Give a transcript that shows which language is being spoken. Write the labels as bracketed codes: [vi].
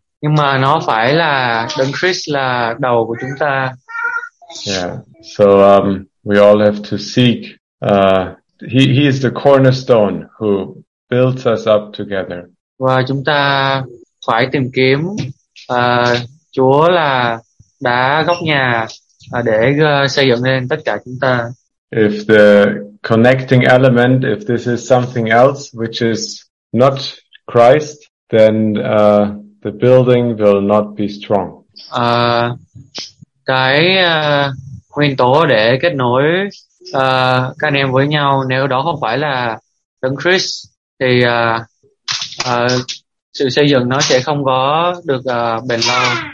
[vi] Nhưng mà nó phải là Đấng Christ là đầu của chúng ta. [en] Yeah. So we all have to seek he is the cornerstone who builds us up together. [vi] Và chúng ta phải tìm kiếm Chúa là đá góc nhà để xây dựng nên tất cả chúng ta. [en] If the connecting element, if this is something else which is not Christ, then the building will not be strong. [vi] Cái nguyên tố để kết nối các anh em với nhau, nếu đó không phải là Đấng Christ thì sự xây dựng nó sẽ không có được bền lâu.